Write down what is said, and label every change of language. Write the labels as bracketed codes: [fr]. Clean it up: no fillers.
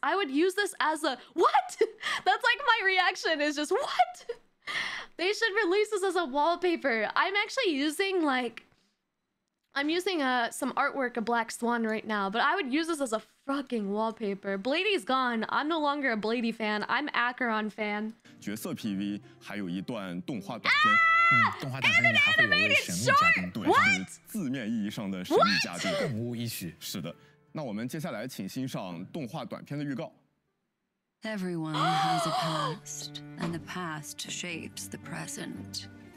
[en] I would use this as a... What? That's like my reaction is just, what? They should release this as a wallpaper. I'm actually using like... I'm using some artwork of Black Swan right now, but I would use this as a fucking wallpaper. Blady's gone. I'm no longer a Blady fan. I'm Acheron fan. [zh] 角色 PV 还有一段动画短片。动画短片里还会有一位神秘嘉宾，对，是字面意义上的神秘嘉宾，共舞一曲。是的，那我们接下来请欣赏动画短片的预告。 [en] Everyone has a past, and the past shapes the present.